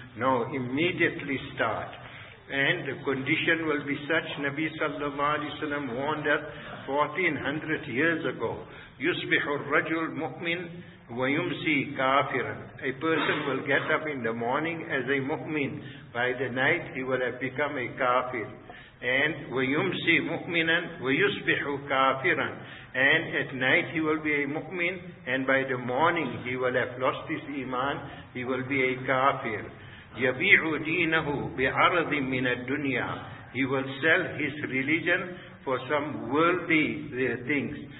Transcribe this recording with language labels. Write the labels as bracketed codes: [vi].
[en] No, immediately start. And the condition will be such, Nabi sallallahu alayhi wa sallam warned us 1400 years ago, [ar] يُصْبِحُ الرَّجُلْ مُؤْمِنْ وَيُمْسِي كَافِرًا. [en] A person will get up in the morning as a mu'min. By the night he will have become a kafir. And [ar] وَيُمْسِي مُؤْمِنًا وَيُصْبِحُ كَافِرًا. [en] And at night he will be a mu'min and by the morning he will have lost his iman, he will be a kafir. [ar] يَبِيعُ دِينَهُ بِعَرَضٍ مِّنَ الدُّنْيَا. [en] He will sell his religion for some worldly things.